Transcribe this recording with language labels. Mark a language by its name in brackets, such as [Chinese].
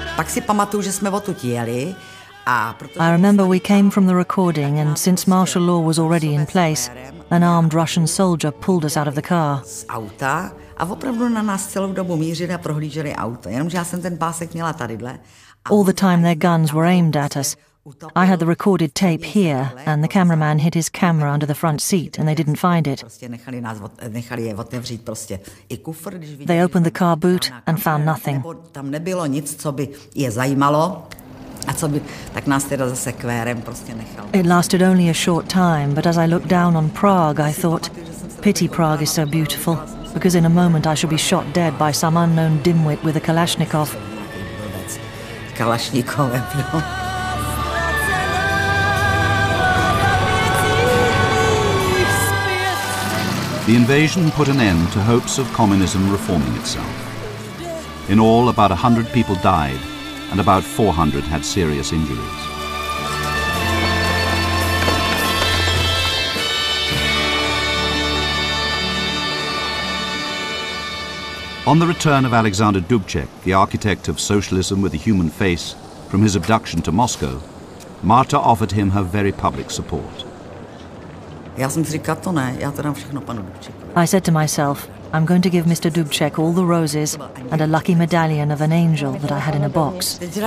[Czech] Si pamatuju, že jsme odtud jeli a [English] I remember we came from the recording and since martial law was already in place, an armed Russian soldier pulled us out of the car. [Czech] Z auta a opravdu na nás celou dobu mířili a prohlíželi auto, jenomže já jsem ten pásek měla tadyhle. [English] All the time their guns were aimed at us. I had the recorded tape here and the cameraman hid his camera under the front seat and they didn't find it. They opened the car boot and found nothing. [Czech] Tam nebylo nic, co by je zajímalo. A co by tak nás teda zase kvérem prostě nechal. [English] It lasted only a short time, but as I looked down on Prague, I thought, pity Prague is so beautiful, because in a moment I shall be shot dead by some unknown dimwit with a Kalashnikov. [Czech] Kalashnikovem, jo. [English] The invasion put an end to hopes of communism reforming itself. In all, about 100 people died, and about 400 had serious injuries. On the return of Alexander Dubček, the architect of socialism with a human face, from his abduction to Moscow, Marta offered him her very public support. [Czech] Já jsem si říkal, to ne, já to dám všechno panu Dubčekovi. [English] I said to myself, I'm going to give Mr. Dubček all the roses and a lucky medallion of an angel that I had in a box.